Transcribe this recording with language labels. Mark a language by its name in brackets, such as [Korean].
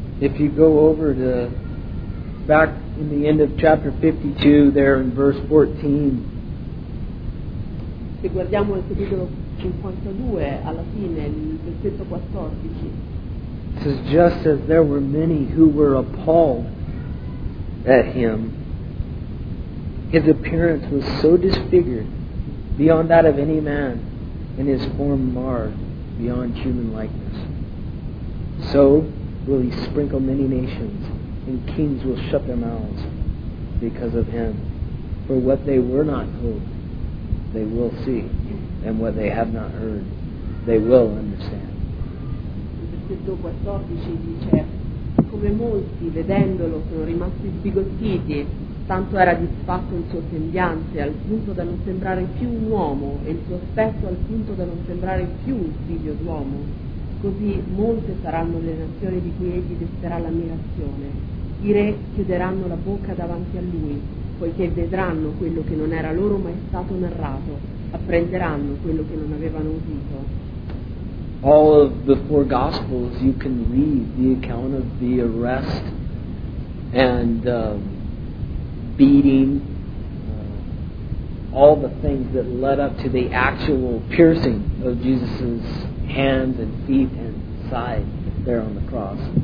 [English] If you go over to back in the end of chapter 52, there in verse 14. [Italian] Se guardiamo il capitolo 52, alla fine, il versetto 14. [English] It says, just as there were many who were appalled at him, his appearance was so disfigured beyond that of any man, and his form marred beyond human likeness. So will he sprinkle many nations, and kings will shut their mouths because of him. For what they were not told, they will see, and what they have not heard, they will understand. [Italian] Il versetto 14 dice, come molti, vedendolo, sono rimasti sbigottiti, tanto era disfatto il suo sembiante, al punto da non sembrare più un uomo, e il suo aspetto al punto da non sembrare più un figlio d'uomo. Così molte saranno le nazioni di cui egli desterà l'ammirazione. I re chiuderanno la bocca davanti a lui, poiché vedranno quello che non era loro mai stato narrato, apprenderanno quello che non avevano udito. [English] All of the four Gospels you can read the account of the arrest and beating, all the things that led up to the actual piercing of Jesus' hands and feet and side there on the cross.